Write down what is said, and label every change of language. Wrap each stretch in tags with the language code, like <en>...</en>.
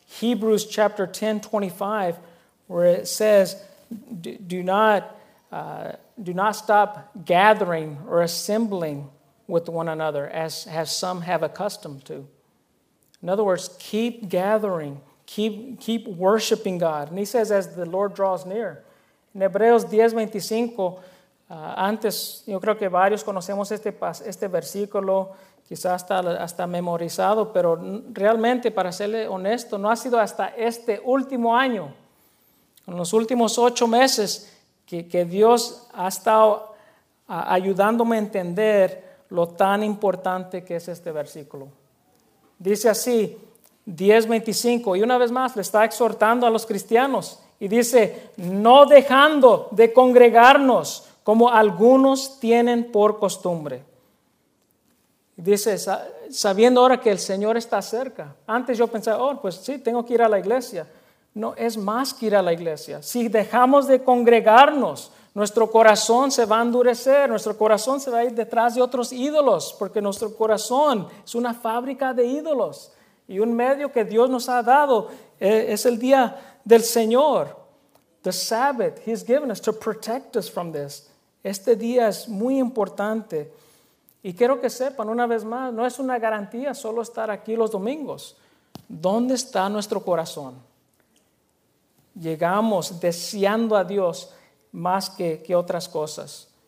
<en>Hebrews chapter 10:25, where it says, do not stop gathering or assembling with one another as some have accustomed to. In other words, keep gathering. Keep worshiping God. And he says, as the Lord draws near.</en> <es>In Hebreos 10:25, antes, yo creo que varios conocemos este versículo, quizás hasta memorizado, pero realmente, para serle honesto, no ha sido hasta este último año, en los últimos 8 meses, que Dios ha estado ayudándome a entender lo tan importante que es este versículo. Dice así, 10:25, y una vez más le está exhortando a los cristianos, y dice, no dejando de congregarnos, como algunos tienen por costumbre. Dice, sabiendo ahora que el Señor está cerca. Antes yo pensaba, oh, pues sí, tengo que ir a la iglesia. No, es más que ir a la iglesia. Si dejamos de congregarnos, nuestro corazón se va a endurecer. Nuestro corazón se va a ir detrás de otros ídolos. Porque nuestro corazón es una fábrica de ídolos. Y un medio que Dios nos ha dado es el día del Señor.</es> <en>The Sabbath He's given us to protect us from this.</en> <es>Este día es muy importante. Y quiero que sepan una vez más, no es una garantía solo estar aquí los domingos. ¿Dónde está nuestro corazón? Llegamos deseando a Dios más que otras cosas.</es>